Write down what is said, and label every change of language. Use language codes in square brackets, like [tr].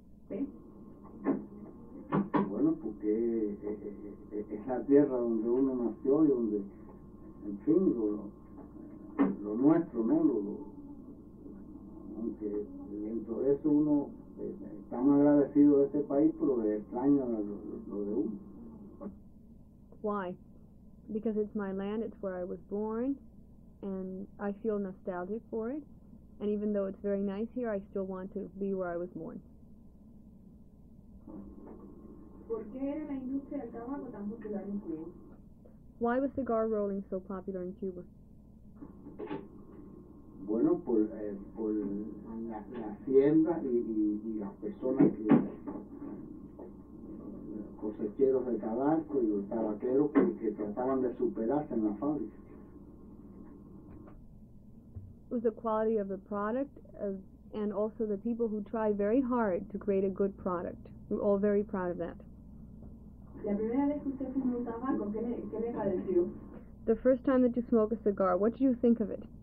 [es] Bueno, porque es la tierra donde uno nació y donde, en fin, lo nuestro, ¿no? Aunque dentro de eso uno está más agradecido de este país, pero le extraña lo de uno. [en] Why? Because it's my land, it's where I was born, and I feel nostalgic for it. And even though it's very nice here, I still want to be where I was born. [es] ¿Por qué era la industria del tabaco tan popular en Cuba? [en] Why was cigar rolling so popular in Cuba? [es] Bueno, por la hacienda y las personas que cosecheros de tabaco y los tabaqueros que trataban de superarse en la fábrica. [en] Was the quality of the product and also the people who try very hard to create a good product. We're all very proud of that. The first time that you smoke a cigar, what did you think of it?